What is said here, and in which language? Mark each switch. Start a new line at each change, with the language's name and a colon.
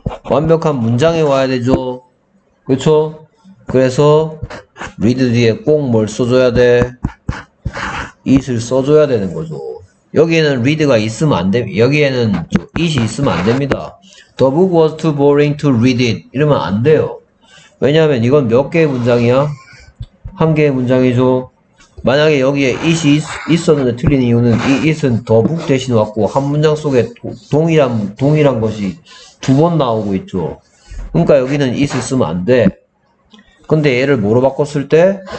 Korean: 완벽한 문장에 와야 되죠. 그렇죠? 그래서 read 뒤에 꼭뭘 써줘야 돼? it을 써줘야 되는 거죠. 여기에는 read가 있으면 안 돼. 여기에는 it이 있으면 안 됩니다.
English: The book was too boring to read it.
Korean: 이러면 안 돼요. 왜냐하면 이건 몇 개의 문장이야? 한 개의 문장이죠. 만약에 여기에 있었는데 틀린 이유는 이 it은 the book 대신 왔고 한 문장 속에 동일한 것이 두번 나오고 있죠. 그러니까 여기는 it을 쓰면 안 돼. 근데 얘를 뭐로 바꿨을 때?